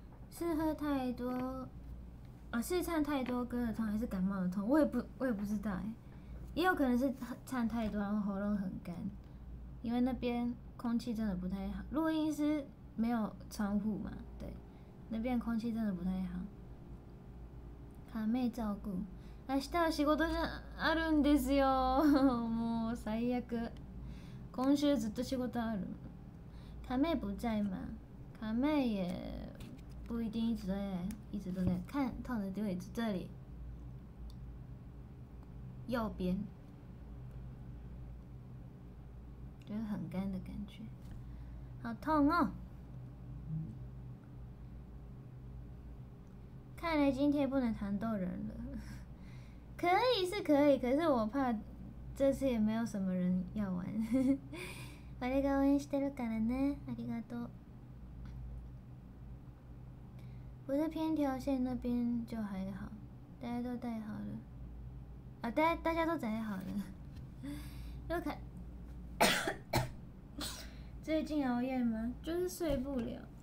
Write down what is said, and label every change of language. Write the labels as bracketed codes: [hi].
[zh] 是喝太多，是唱太多歌的痛，还是感冒的痛？我也不知道哎、欸。也有可能是唱太多，然后喉咙很干，因为那边空气真的不太好。录音师没有窗户嘛？对，那边空气真的不太好。卡妹照顾。 [ja] 明日は仕事じゃあるんですよ。もう最悪。今週ずっと仕事ある。カメ [zh] 不在吗？カメ也不一定一直都在。看痛的位置，这里，右边，就是很干的感觉，好痛哦。看来今天不能弹豆人了。可以是可以，可是我怕这次也没有什么人要玩。 [ja] 我が応援してるからね、ありがとう。 [zh] 不是偏条线那边就还好，大家都戴好了。啊，大家都戴好了。又看，最近熬夜吗？就是睡不了。